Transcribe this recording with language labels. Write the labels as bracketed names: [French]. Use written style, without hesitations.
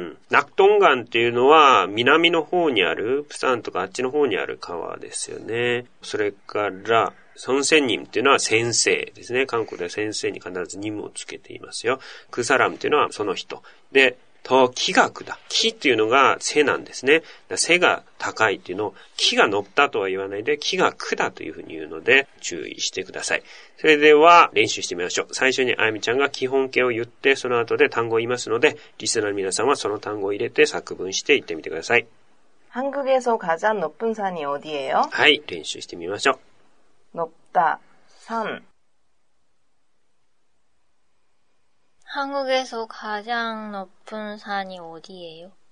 [Japanese] 낙동강っていうのは南の方にある釜山とかあっちの方にある川ですよねそれから선생님っていうのは先生ですね韓国では先生に必ず님をつけていますよくさらんっていうのはその人で、더키가크다키っていうのが背なんですね背が高いっていうのを木が높다とは言わないで木が크다というふうに言うので注意してくださいそれでは練習してみましょう。最初にあやみちゃんが基本形を言って、その後で単語を言いますので、リスナーの皆さんはその単語を入れて作文して言ってみてください。 [Korean] 한국에서가장높은산이어디예요 [Japanese] はい、練習してみましょう。 [Korean] 높다、산。 한국에서가장높은산이어디예요